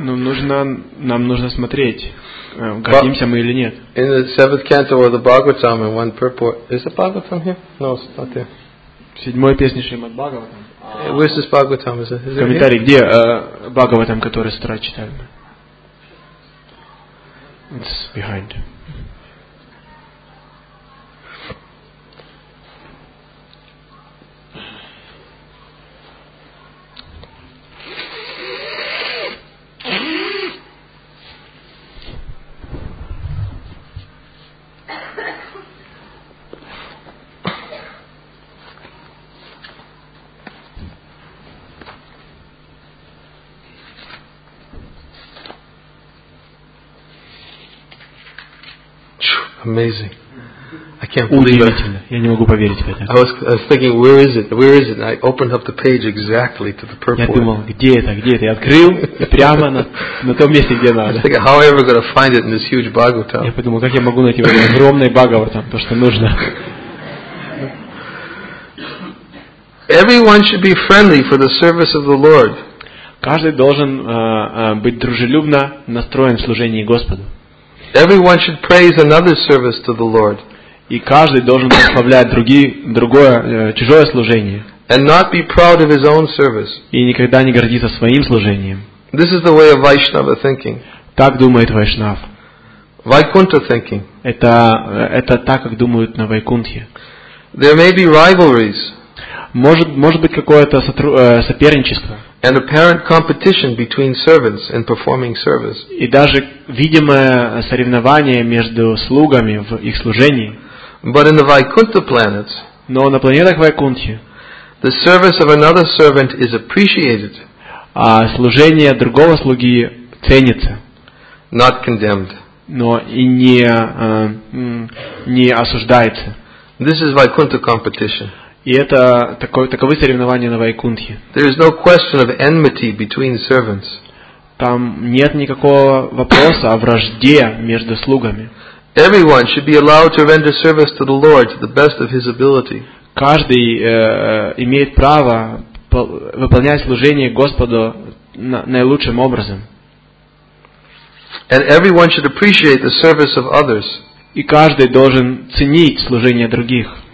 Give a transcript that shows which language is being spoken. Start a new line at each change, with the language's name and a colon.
Russian: Нам нужно смотреть, гордимся мы или нет.
English: In the seventh canto of the Bhagavatam, in one purport, is the Bhagavatam here? No, it's not there.
Russian: В седьмой песне Шримад Бхагаватам.
English: Where's this Bhagavatam? Is it?
Russian: Комментарий, где Бхагаватам, который с утра читаем?
English: It's behind. Amazing. I can't believe it.
Russian: Я не могу поверить в это.
English: I was thinking, where is it? Where is it? And I opened up the page exactly to the purport.
Russian: Я думал, где это? Я открыл прямо на том месте, где надо.
English: I was thinking, how am I ever going to find it in this huge Bhagavatam?
Russian: Я подумал, как я могу найти в этом огромном Бхагаватам то, что нужно.
English: Everyone should be friendly for the service of the Lord.
Russian: Каждый должен быть дружелюбно настроен в служении Господу.
English: Everyone should praise another service to the Lord.
Russian: И каждый должен прославлять другое чужое служение.
English: And not be proud of his own service.
Russian: И никогда не гордиться своим служением.
English: This is the way of Vaishnava thinking.
Russian: Так думает Вайшнав.
English: Vaikuntha thinking.
Russian: Это так, как думают на Вайкунтхе.
English: There may be rivalries.
Russian: Может быть какое-то соперничество.
English: An apparent competition between servants in performing service.
Russian: И даже видимое соревнование между слугами в их служении.
English: But in the Vaikuntha planets.
Russian: Но на планетах Вайкунтхи.
English: The service of another servant is appreciated.
Russian: А служение другого слуги ценится.
English: Not condemned.
Russian: Но и не осуждается.
English: This is Vaikuntha competition.
Russian: И это таковы соревнования на Вайкунтхе.
English: There is no question of enmity between servants.
Russian: Там нет никакого вопроса о вражде между слугами.
English: Everyone should be allowed to render service to the Lord to the best of his ability.
Russian: Каждый имеет право выполнять служение Господу наилучшим образом.
English: And everyone should appreciate the service of others.
Russian: И каждый должен ценить служение других.